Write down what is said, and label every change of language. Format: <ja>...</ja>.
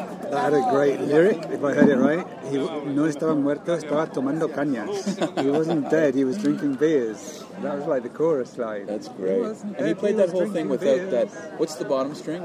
<en>That had a great lyric, if I heard it right.</en> <es>He no estaba muerto, estaba tomando cañas.</es> <en>He wasn't dead, he was drinking beers. That was like the chorus line. That's great. And he played that whole thing without that. What's the bottom string?</en>